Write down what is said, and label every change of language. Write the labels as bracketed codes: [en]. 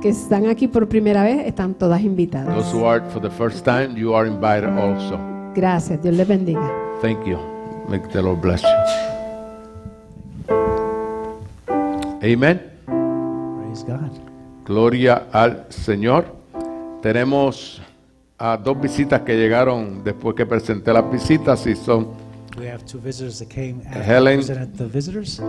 [es] Que están aquí por primera vez, están todas invitadas. [en] Those who are for the first time, you are invited also. [es] Gracias, Dios les bendiga. [en] Thank you. May the Lord bless you. Amen. Praise God. [es] Gloria al Señor. Tenemos a dos visitas que llegaron después que presenté las visitas y son [en] we have two visitors that came after Helen, presented the visitors.